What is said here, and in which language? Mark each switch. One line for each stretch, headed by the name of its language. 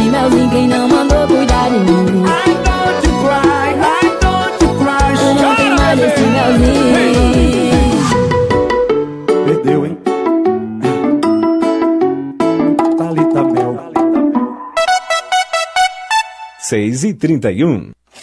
Portuguese: Ninguém não mandou cuidar de mim.
English: I don't you cry, I don't you cry.
Portuguese: Eu não tenho mais esse melzinho. Perdeu, hein? Talita Mel. 6h31.